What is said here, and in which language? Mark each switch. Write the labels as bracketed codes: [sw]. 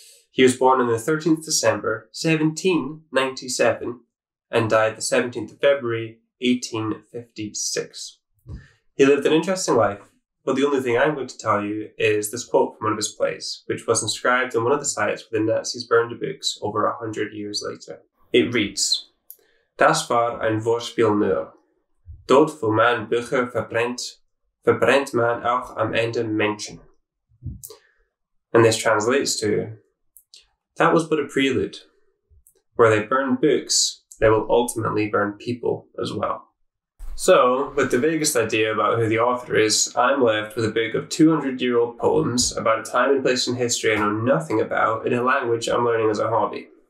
[en] He was born on the 13th December 1797 and died the 17th of February 1856. He lived an interesting life, but the only thing I'm going to tell you is this quote from one of his plays, which was inscribed on one of the sites where the Nazis burned the books over 100 years later. It reads, [de] Das war ein Wortspiel nur. Dort wo man Bücher verbrennt, verbrennt man auch am Ende Menschen. [en] And this translates to, that was but a prelude. Where they burn books, they will ultimately burn people as well. So, with the vaguest idea about who the author is, I'm left with a book of 200-year-old poems about a time and place in history I know nothing about in a language I'm learning as a hobby.